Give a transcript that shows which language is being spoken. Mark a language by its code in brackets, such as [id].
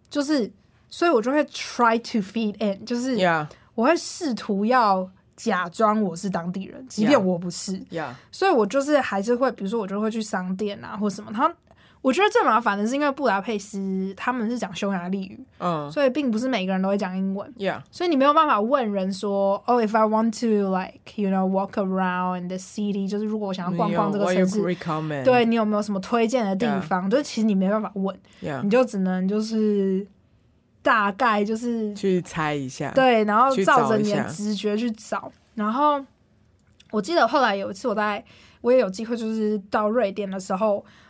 [zh] 就是所以，我就会 [en] try to fit in， [zh] 就是、 yeah. 我会试图要假装我是当地人，即便我不是。 Yeah. 所以我就是还是会，比如说我就会去商店啊，或什么，我觉得最麻烦的是，因为布达佩斯他们是讲匈牙利语，嗯，所以并不是每个人都会讲英文， yeah. 所以你没有办法问人说，哦、oh, ， [en] if I want to like you know walk around in the city， [zh] 就是如果我想要逛逛这个城市， [en] what you recommend? [zh] 对你有没有什么推荐的地方？ Yeah. 就是其实你没办法问， yeah. 你就只能就是大概就是去猜一下，对，然后照着你的直觉去找。然后我记得后来有一次我也有机会就是到瑞典的时候。